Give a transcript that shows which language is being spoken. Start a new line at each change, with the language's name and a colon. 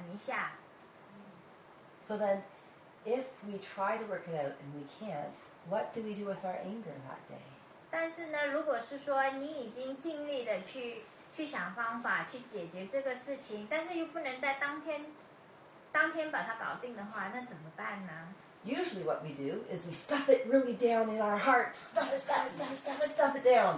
Chinese: 但是Amanda的建议就是说，如果你遇到这种状况的话呢，最好就是你要去想办法去解决，或者去跟对方谈一下。So
English: then, if we try to work it out and we can't, what do we do with our anger that day?
Chinese: 但是呢，如果是说你已经尽力的去想方法去解决这个事情，但是又不能在当天把它搞定的话，那怎么办呢？
English: Usually, what we do is we stuff it really down in our heart, stuff it down.